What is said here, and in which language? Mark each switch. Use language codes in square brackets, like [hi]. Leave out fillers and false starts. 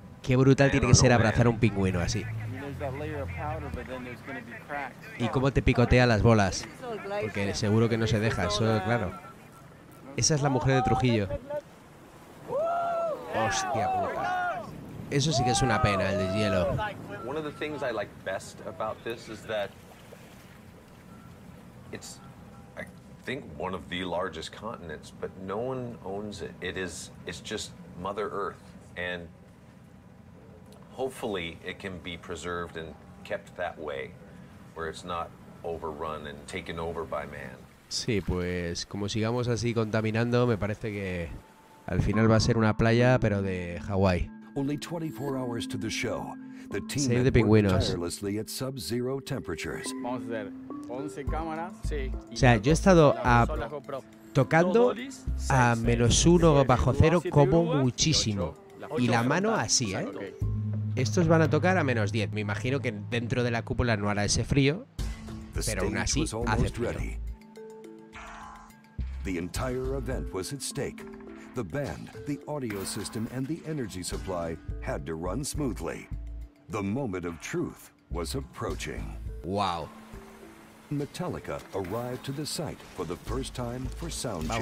[es] Qué brutal tiene que ser abrazar a un pingüino así. Y cómo te picotea las bolas. Porque seguro que no se deja, eso claro. Esa es la mujer de Trujillo. Hostia puta. Eso sí que es una pena, el deshielo. [en] One of the things I like best about this is that it's I think one of the largest continents, but no one owns it. It is it's just Mother Earth and hopefully it can be preserved and kept that way where it's not overrun and taken over by man. [es] Sí, pues como sigamos así contaminando, me parece que al final va a ser una playa pero de Hawái. [en] Only 24 hours to the show. The team save the pingüinos. Tirelessly at sub-zero temperatures. [es] Vamos a hacer 11 cámaras. Sí. O sea, yo he estado tocando a menos 1 bajo 0 como muchísimo. Y la mano así, ¿eh? Estos van a tocar a menos 10. Me imagino que dentro de la cúpula no hará ese frío, pero aún así hace frío. [en] The entire event was at stake. The band, the audio system, and the energy supply had to run smoothly. The moment of truth was approaching. Wow. Metallica arrived to the site for the first time for sound check.